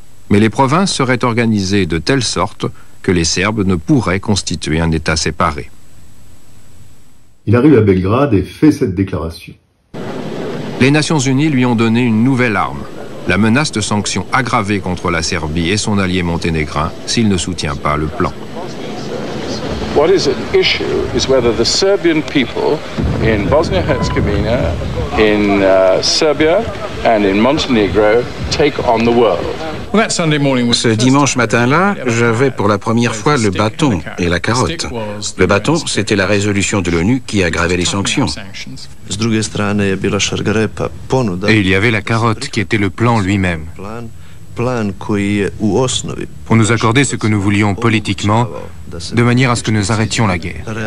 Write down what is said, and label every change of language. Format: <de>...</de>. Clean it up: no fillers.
<fr>Mais les provinces seraient organisées de telle sorte que les Serbes ne pourraient constituer un État séparé. Il arrive à Belgrade et fait cette déclaration. Les Nations Unies lui ont donné une nouvelle arme. La menace de sanctions aggravées contre la Serbie et son allié monténégrin s'il ne soutient pas le plan.</fr> <en>What is at issue is whether the Serbian people in Bosnia-Herzegovina, in Serbia and in Montenegro take on the world.</en> <fr>Ce dimanche matin-là, j'avais pour la première fois le bâton et la carotte. Le bâton, c'était la résolution de l'ONU qui aggravait les sanctions. Et il y avait la carotte qui était le plan lui-même. Pour nous accorder ce que nous voulions politiquement, de manière à ce que nous arrêtions la guerre.</fr>